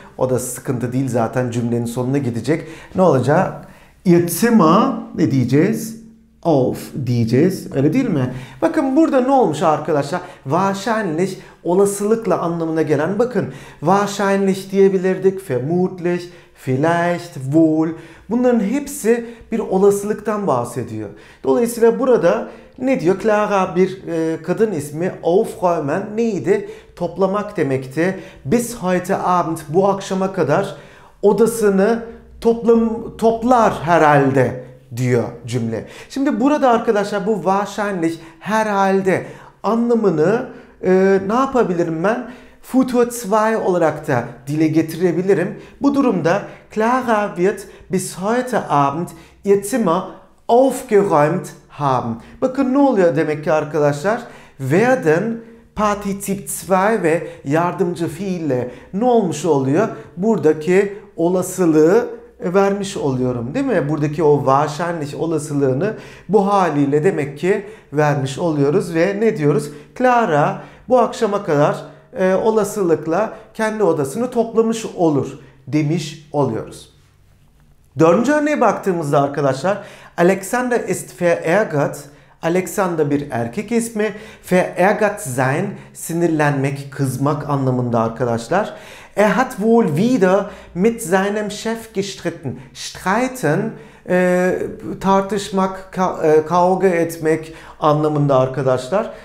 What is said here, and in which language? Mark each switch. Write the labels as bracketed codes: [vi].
[tr] O da sıkıntı değil zaten, cümlenin sonuna gidecek. Ne olacak? [de] Ihr Zimmer [tr] ne diyeceğiz? Auf diyeceğiz. Öyle değil mi? Bakın burada ne olmuş arkadaşlar? Wahrscheinlich, olasılıkla anlamına gelen. Bakın, wahrscheinlich diyebilirdik. [de] Vermutlich, vielleicht, wohl. [tr] Bunların hepsi bir olasılıktan bahsediyor. Dolayısıyla burada ne diyor? Clara bir kadın ismi. Aufräumen neydi? Toplamak demekti. [de] Bis heute Abend, [tr] bu akşama kadar odasını toplar herhalde diyor cümle. Şimdi burada arkadaşlar bu wahrscheinlich, herhalde anlamını ne yapabilirim ben? Futur 2 olarak da dile getirebilirim. Bu durumda [de] Clara wird bis heute Abend ihr Zimmer aufgeräumt haben. [tr] Bakın ne oluyor demek ki arkadaşlar? Werden Partizip 2 ve yardımcı fiille ne olmuş oluyor? Buradaki olasılığı vermiş oluyorum, değil mi? Buradaki o wahrscheinlich olasılığını bu haliyle demek ki vermiş oluyoruz ve ne diyoruz? Clara bu akşama kadar olasılıkla kendi odasını toplamış olur demiş oluyoruz. Dördüncü örneğe baktığımızda arkadaşlar, [de] Alexander ist verärgert. [tr] Alexander bir erkek ismi. [de] Verärgert sein, [tr] sinirlenmek, kızmak anlamında arkadaşlar. [de] Er hat wohl wieder mit seinem Chef gestritten. [tr] Streiten, tartışmak, kavga etmek anlamında arkadaşlar.